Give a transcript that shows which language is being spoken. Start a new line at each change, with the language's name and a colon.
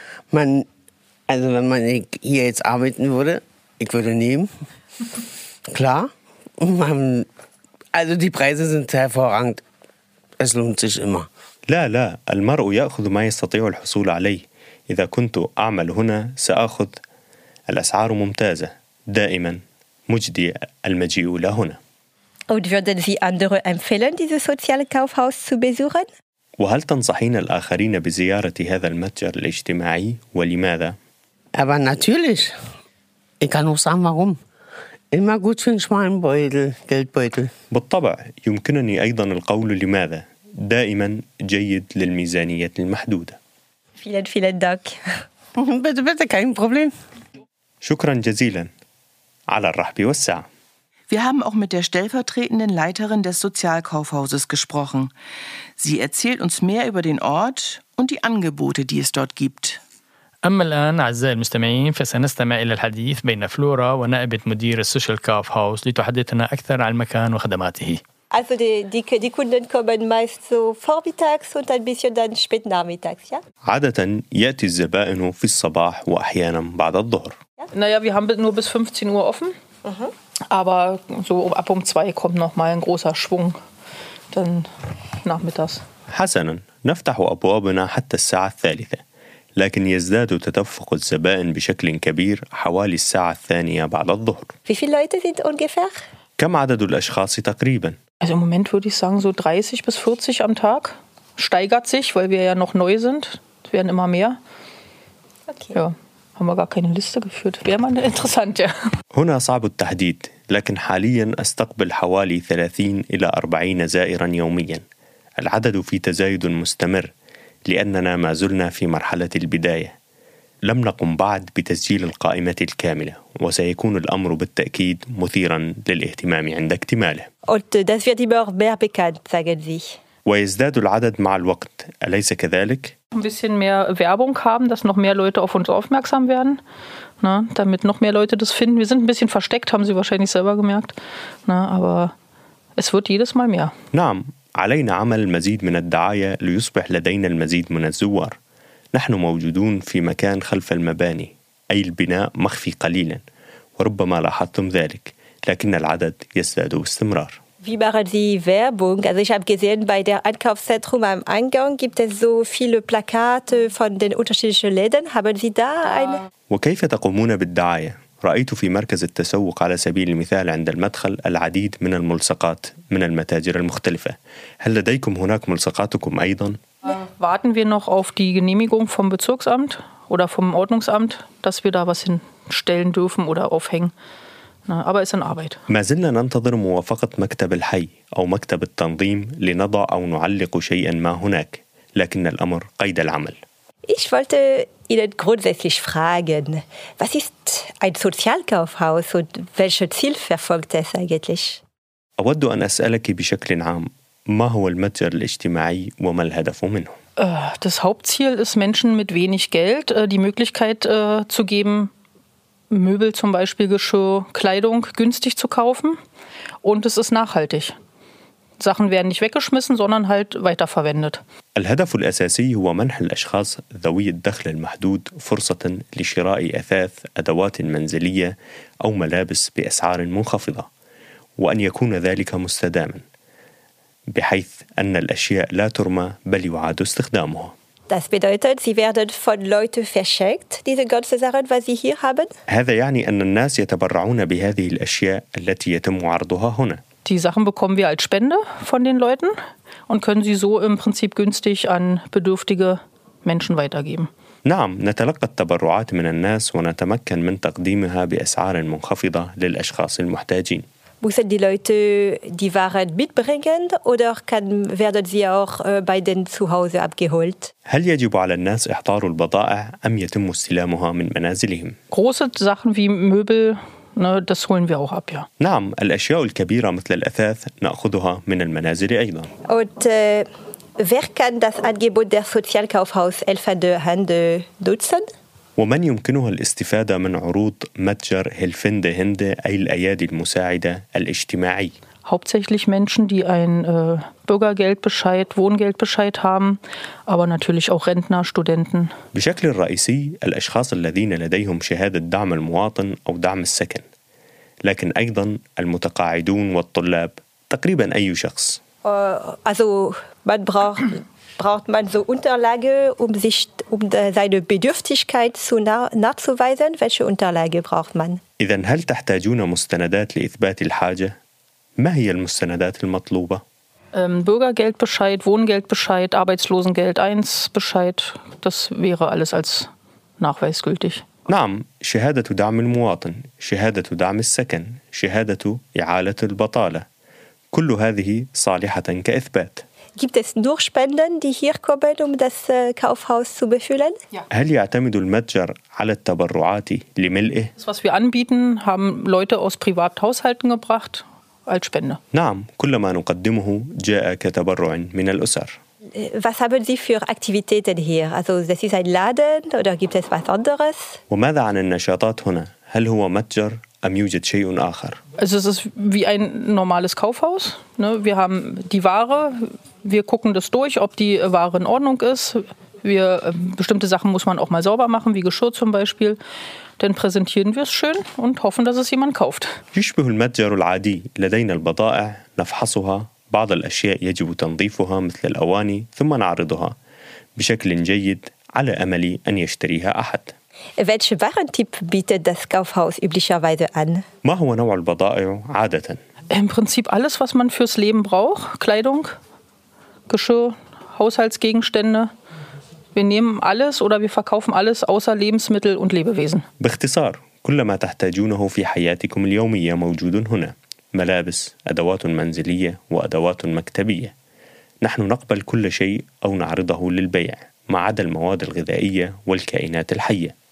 German: Man, also wenn man hier jetzt arbeiten würde, ich würde nehmen, klar. Man, also die Preise sind hervorragend. Es lohnt sich immer.
Arabic: لا لا المرء يأخذ ما يستطيع الحصول عليه إذا كنت أعمل هنا سأخذ الأسعار ممتازة دائما مجدي المجيء إلى هنا.
German: Und würden Sie andere empfehlen, dieses Sozialkaufhaus zu besuchen?
Arabic: وهل تنصحين الآخرين بزيارة هذا المتجر الاجتماعي ولماذا؟
German: Aber natürlich. Ich kann auch sagen, warum. Immer gut für einen schmalen Beutel, Geldbeutel.
Arabic: بالطبع يمكنني أيضا القول لماذا. دائما جيد للميزانية المحدودة.
German: Vielen, vielen Dank. Bitte, bitte, kein Problem.
Arabic: شكرا جزيلا. على الرحب والسعة.
German: Wir haben auch mit der stellvertretenden Leiterin des Sozialkaufhauses gesprochen. Sie erzählt uns mehr über den Ort und die Angebote, die es dort gibt.
Arabic: أما الآن أعزائي المستمعين فسنستمع إلى الحديث بين فلورا ونائبة مدير السوشيال كافهاوس لتحدثنا أكثر عن المكان وخدماته.
German: Also die Kunden kommen meist so vormittags und ein bisschen dann spät nachmittags, ja?
Arabic: عادة يأتي الزبائن في الصباح وأحيانا بعد الظهر.
German: Naja, wir haben nur bis 15 Uhr offen, aber so ab um 2 kommt noch mal ein großer Schwung dann nachmittags.
Arabic: حسنا نفتح أبوابنا حتى الساعة الثالثة، لكن يزداد تدفق الزبائن بشكل كبير حوالي الساعة الثانية بعد الظهر.
German: Wie viele Leute sind ungefähr?
Arabic: كم عدد الأشخاص تقريبا؟
German: Also im Moment würde ich sagen so 30 bis 40 am Tag. Steigert sich, weil wir ja noch neu sind. Es werden immer mehr. Okay. Ja, haben wir gar keine Liste geführt. Wäre mal interessant, ja.
Arabic: هنا صعب التحديد، لكن حاليا استقبل حوالي 30 إلى 40 زائرا يوميا. العدد في تزايد مستمر لأننا ما زلنا في مرحلة البداية. لم نقم بعد بتسجيل القائمة الكاملة وسيكون الأمر بالتأكيد مثيرا للاهتمام عند اكتماله.
German: Und das wird immer mehr bekannt, sagen Sie.
Arabic: ويزداد العدد مع الوقت، أليس كذلك؟
German: Ein bisschen mehr Werbung haben, dass noch mehr Leute auf uns aufmerksam werden, ne, damit noch mehr Leute das finden. Wir sind ein bisschen versteckt, haben Sie wahrscheinlich selber gemerkt, ne, aber es wird jedes Mal mehr.
Arabic: نعم، علينا عمل المزيد من الدعاية ليصبح لدينا المزيد من الزوار. نحن موجودون في مكان خلف المباني، أي البناء مخفي قليلاً، وربما لاحظتم ذلك، لكن العدد يزداد باستمرار.
German: Wie machen Sie Werbung? Also ich habe gesehen, bei der Einkaufszentrum am Eingang gibt es so viele Plakate von den unterschiedlichen Läden. Haben Sie da eine?
Arabic: وكيف تقومون بالدعاية؟ رأيت في مركز التسوق على سبيل المثال عند المدخل العديد من الملصقات من المتاجر المختلفة. هل لديكم هناك ملصقاتكم أيضاً؟
German: Warten wir noch auf die Genehmigung vom Bezirksamt oder vom Ordnungsamt, dass wir da was hinstellen dürfen oder aufhängen. Na, aber es ist in Arbeit.
Arabic: ما زلنا ننتظر موافقة مكتب الحي أو مكتب التنظيم لنضع أو نعلق شيئا ما هناك، لكن الأمر قيد العمل.
German: Ich wollte Ihnen grundsätzlich fragen, was ist ein Sozialkaufhaus und welches Ziel verfolgt es eigentlich?
Arabic: أود أن أسألك بشكل عام. ما هو المتجر الاجتماعي وما الهدف منه؟
German: Das Hauptziel ist Menschen mit wenig Geld die Möglichkeit zu geben Möbel zum Beispiel Geschirr Kleidung günstig zu kaufen und es ist nachhaltig. Sachen werden nicht weggeschmissen, sondern halt weiterverwendet.
Arabic: الهدف الأساسي هو منح الأشخاص ذوي الدخل المحدود فرصة لشراء أثاث أدوات منزلية أو ملابس بأسعار منخفضة وأن يكون ذلك مستداما بحيث أن الأشياء لا ترمى بل يعاد استخدامها.
German: Das bedeutet, sie werden von Leuten verschenkt, diese ganze Sache, was sie hier haben.
Arabic: هذا يعني أن الناس يتبرعون بهذه الأشياء التي يتم عرضها هنا.
German: Die Sachen bekommen wir als Spende von den Leuten und können sie so im Prinzip günstig an bedürftige Menschen weitergeben.
Arabic: نعم، نتلقى التبرعات من الناس ونتمكن من تقديمها بأسعار منخفضة للأشخاص المحتاجين.
German: Müssen die Leute die Ware mitbringen oder werden sie auch bei den Zuhause abgeholt?
Arabic: هل يجب على الناس إحضار البضائع أم يتم استلامها من منازلهم؟
German: Große Sachen wie Möbel, ne, das holen wir auch ab, ja.
Arabic: نعم، الأشياء الكبيرة مثل الأثاث نأخذها من المنازل أيضا.
German: Und wer kann das Angebot der Sozialkaufhaus Elfa de Hande nutzen?
Arabic: ومن يمكنها الاستفادة من عروض متجر هيلفند هند أي الأيادي المساعدة الاجتماعي؟
German: Hauptsächlich Menschen, die ein Bürgergeldbescheid, Wohngeldbescheid haben, aber natürlich auch Rentner, Studenten.
Arabic: بشكل رئيسي الأشخاص الذين لديهم شهادة دعم المواطن أو دعم السكن، لكن أيضا المتقاعدون والطلاب، تقريبا أي شخص.
German: Also man braucht man so Unterlage, um seine Bedürftigkeit nachzuweisen? Welche Unterlage braucht man?
Arabic: إذن هل تحتاجون مستندات لإثبات الحاجة؟ ما هي المستندات المطلوبة؟
German: Bürgergeldbescheid, Wohngeldbescheid, Arbeitslosengeld 1 Bescheid. Das wäre alles als Nachweis gültig.
Arabic: نعم، شهادة دعم المواطن، شهادة دعم السكن، شهادة إعالة البطالة. كل هذه صالحة كإثبات.
German: Gibt es nur Spenden, die hier kommen, um das Kaufhaus zu befüllen? Ja.
Arabic: هل يعتمد المتجر على التبرعات لملئه؟
German: Das, was wir anbieten, haben Leute aus Privathaushalten gebracht als Spende.
Arabic: نعم، كل ما نقدمه جاء كتبرع من الأسر.
German: Was haben Sie für Aktivitäten hier? Also, das ist ein Laden oder gibt es was anderes?
Arabic: وماذا عن النشاطات هنا؟ هل هو متجر؟ أم يوجد شيء آخر؟
German: Also es ist wie ein normales Kaufhaus. Ne? Wir haben die Ware, wir gucken das durch, ob die Ware in Ordnung ist. Wir, bestimmte Sachen muss man auch mal sauber machen, wie Geschirr zum Beispiel. Dann präsentieren wir es schön und hoffen, dass es jemand kauft.
Arabic: يشبه المتجر العادي. لدينا البضائع، نفحصها، بعض الأشياء يجب تنظيفها مثل الأواني، ثم نعرضها بشكل جيد على أمل أن يشتريها أحد.
German: Welche Warentyp bietet das Kaufhaus üblicherweise an?
Arabic: ما هو نوع البضائع عادة؟
German: Im Prinzip alles, was man fürs Leben braucht. Kleidung, Geschirr, Haushaltsgegenstände. Wir nehmen alles oder wir verkaufen alles außer Lebensmittel und Lebewesen.
Arabic: باختصار، كل ما تحتاجونه في حياتكم اليومية موجود هنا. ملابس، أدوات منزلية وأدوات مكتبية. نحن نقبل كل شيء أو نعرضه للبيع. ما عدا المواد الغذائية والكائنات الحية.